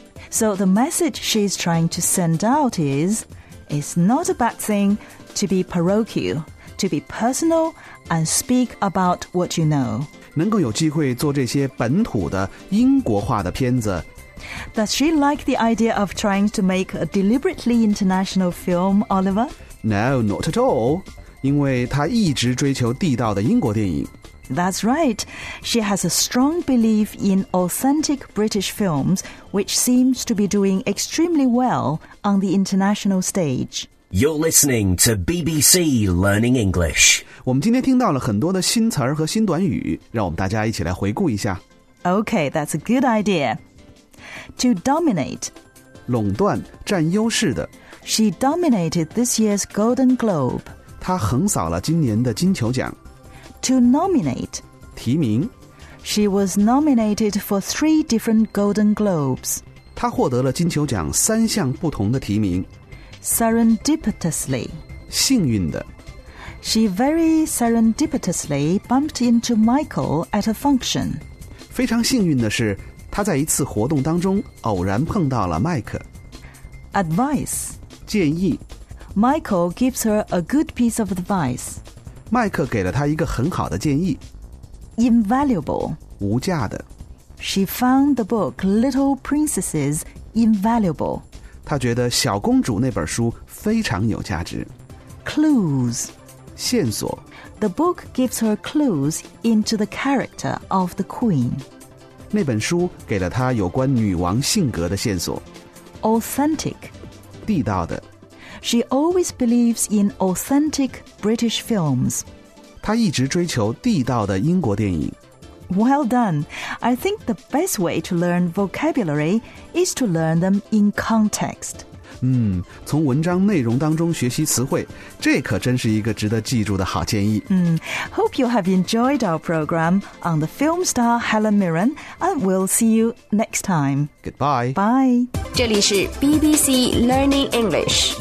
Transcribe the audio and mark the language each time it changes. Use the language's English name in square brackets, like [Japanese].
[English] So the message she's trying to send out is, it's not a bad thing to be parochial, to be personal and speak about what you know. [Chinese] 能够有机会做这些本土的英国化的片子 [English] Does she like the idea of trying to make a deliberately international film, Oliver? No, not at all. [Chinese] 因为她一直追求地道的英国电影 [English] That's right. She has a strong belief in authentic British films, which seems to be doing extremely well on the international stage. You're listening to BBC Learning English. [Chinese] 我们今天听到了很多的新词儿和新短语，让我们大家一起来回顾一下。 [English] Okay, that's a good idea. To dominate. [Chinese] 垄断，占优势的。 [English] She dominated this year's Golden Globe. [Chinese] 她横扫了今年的金球奖。 [English] To nominate. [Chinese] 提名。 [English] She was nominated for 3 different Golden Globes. [Chinese] 她获得了金球奖三项不同的提名。 [English] Serendipitously. [Chinese] 幸运的。 [English] She very serendipitously bumped into Michael at a function. [Chinese] 非常幸运的是，她在一次活动当中偶然碰到了麦克。 [English] Advice. [Chinese] 建议。 [English] Michael gives her a good piece of advice. [Chinese] 麦克给了她一个很好的建议。 [English] Invaluable. [Chinese] 无价的。 [English] She found the book Little Princesses invaluable. [Chinese] 她觉得小公主那本书非常有价值。 [English] Clues. [Chinese] 线索 [English] The book gives her clues into the character of the queen. [Chinese] 那本书给了她有关女王性格的线索。 [English] Authentic. [Chinese] 地道的。 [English] She always believes in authentic British films. [Chinese] 她一直追求地道的英国电影。 [English] Well done. I think the best way to learn vocabulary is to learn them in context. [Chinese] 从文章内容当中学习词汇，这可真是一个值得记住的好建议。 [English] Hope you have enjoyed our program on the film star Helen Mirren, and we'll see you next time. Goodbye. Bye. [Chinese] 这里是 BBC Learning English.